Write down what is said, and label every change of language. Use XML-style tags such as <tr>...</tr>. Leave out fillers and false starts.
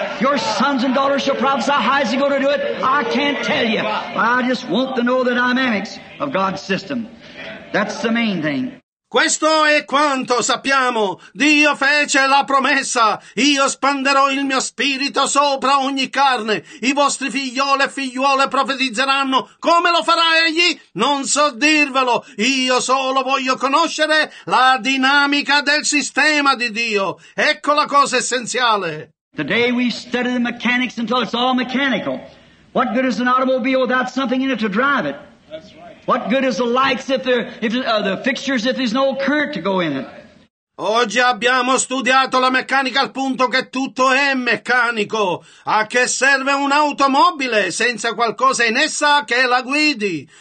<en>Your sons and daughters shall prophesy. How is he going to do it? I can't tell you. I just want to know the dynamics of God's system. That's the main thing.</en> <it>Questo è quanto sappiamo. Dio fece la promessa. Io spanderò il mio spirito sopra ogni carne. I vostri figlioli e figliuole profetizzeranno. Come lo farà egli? Non so dirvelo. Io solo voglio conoscere la dinamica del sistema di Dio. Ecco la cosa essenziale.</it> <en>Today we study the mechanics until it's all mechanical. What good is an automobile without something in it to drive it? That's right. What good is the lights if the fixtures if there's no current to go in it?</en> <it>Oggi abbiamo studiato la meccanica al punto che tutto è meccanico. A che serve un'automobile senza qualcosa in essa che la guidi?</it>